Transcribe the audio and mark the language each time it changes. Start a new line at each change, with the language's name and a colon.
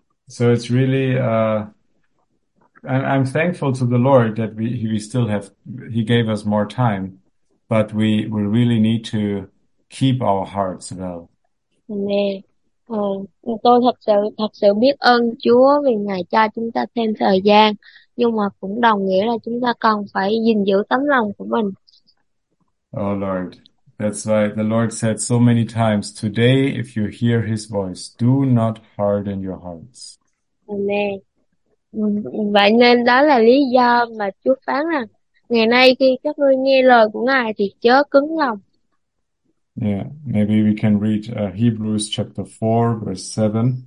English: So it's really I'm thankful to the Lord that we still have he gave us more time, but we really need to keep our hearts well.
Vietnamese: Nè, tôi thật sự biết ơn Chúa vì Ngài cho chúng ta thêm thời gian, nhưng mà cũng đồng nghĩa là chúng ta cần phải gìn giữ tấm lòng của mình.
English: Oh Lord. That's why the Lord said so many times, today, if you hear his voice, do not harden your hearts.
Vietnamese: Nè, vậy nên đó là lý do mà Chúa phán rằng ngày nay khi các ngươi nghe lời của Ngài thì chớ cứng lòng.
English: Maybe we can read Hebrews chapter 4, verse 7.